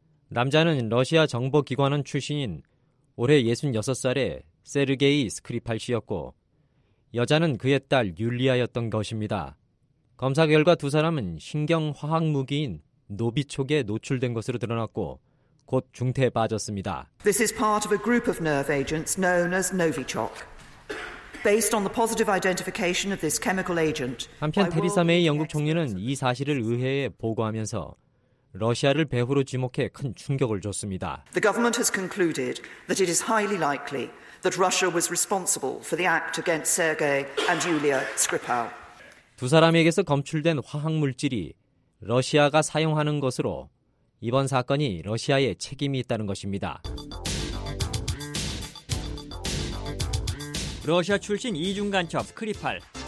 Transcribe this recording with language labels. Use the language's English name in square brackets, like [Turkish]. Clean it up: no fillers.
[Korean] 남자는 러시아 정보기관원 출신인 올해 66살의 세르게이 스크리팔 씨였고 여자는 그의 딸 율리아였던 것입니다. 검사 결과 두 사람은 신경화학무기인 노비촉에 노출된 것으로 드러났고 곧 중태에 빠졌습니다. [English] This is part of a group of nerve agents known as Novichok. Based on the positive identification of this chemical agent. [Korean] 한편 테리사 메이 영국 총리는 이 사실을 의회에 보고하면서 러시아를 배후로 지목해 큰 충격을 줬습니다. [English] The government has concluded that it is highly likely that Russia was responsible for the act against Sergei and Yulia Skripal. [Korean] 두 사람에게서 검출된 화학 물질이 러시아가 사용하는 것으로 이번 사건이 러시아의 책임이 있다는 것입니다. 러시아 출신 이중간첩 스크리팔.